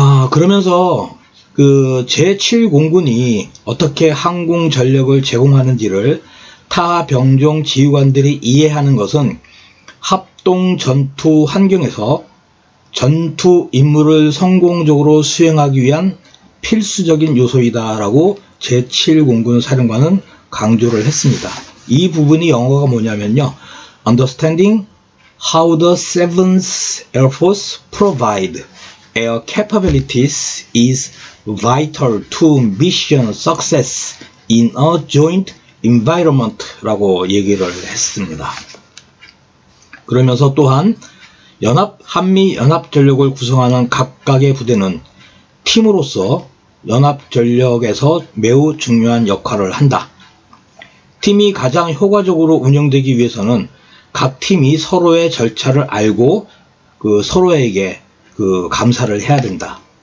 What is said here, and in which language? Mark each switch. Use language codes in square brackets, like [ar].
[ko] 그러면서 그 제7공군이 어떻게 항공 전력을 제공하는지를 타 병종 지휘관들이 이해하는 것은 합동 전투 환경에서 전투 임무를 성공적으로 수행하기 위한 필수적인 요소이다라고 제7공군 사령관은 강조를 했습니다. 이 부분이 영어가 뭐냐면요. [en] Understanding how the 7th Air Force provide air capabilities is vital to mission success in a joint environment [ko] 라고 얘기를 했습니다. 그러면서 또한 한미연합전력을 구성하는 각각의 부대는 팀으로서 연합전력에서 매우 중요한 역할을 한다. 팀이 가장 효과적으로 운영되기 위해서는 각 팀이 서로의 절차를 알고 그 서로에게 그 감사를 해야 된다.